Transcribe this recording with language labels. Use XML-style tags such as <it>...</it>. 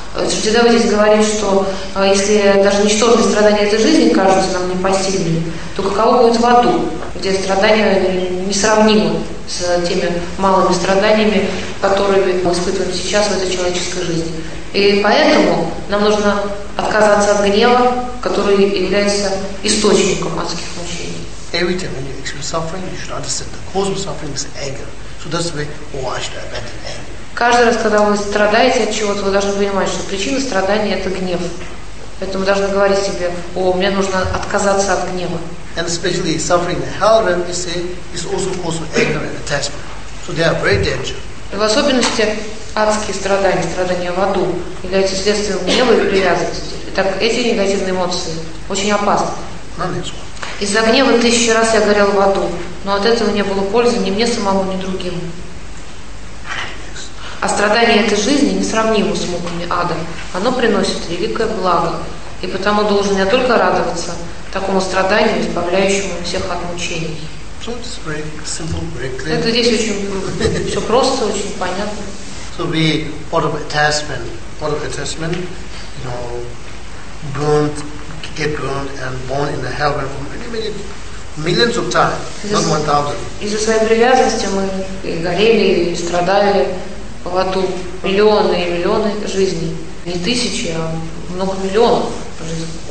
<ru>Шридхар здесь говорит, что если даже ничтожные страдания этой жизни кажутся нам непосильными, то каково будет в аду, где страдания несравнимы с теми малыми страданиями, которые мы испытываем сейчас в этой человеческой жизни. И поэтому нам нужно отказаться от гнева, который является источником адских мучений.</ru> <en>Every time when you experience suffering, you should understand the cause of suffering is anger. So that's why we should abandon anger.</en> <ru>Каждый раз, когда вы страдаете от чего-то, вы должны понимать, что причина страдания – это гнев. Поэтому вы должны говорить себе, о, мне нужно отказаться от гнева.</ru> <en>And especially suffering in hell, when we say, is also caused by anger and attachment. So they are very dangerous.</en> <ru>В особенности адские страдания в аду, являются следствием гнева и привязанности. Итак, эти негативные эмоции очень опасны. Из-за гнева тысячи раз я горел в аду, но от этого не было пользы ни мне самому, ни другим. А страдания этой жизни несравнимы с муками ада. Оно приносит великое благо. И потому должен я только радоваться такому страданию, избавляющему всех от мучений.</ru> <en>So it's very simple, very clear.</en> <ru>Это здесь очень все просто, очень понятно.</ru> <en>So we part of attachment, you know, get burned and born in the heaven for many millions of times, not 1,000.</en> <ru>Из-за своей привязанности мы и горели, и страдали. В аду миллионы и миллионы жизней. Не тысячи, а много миллионов жизней.</ru>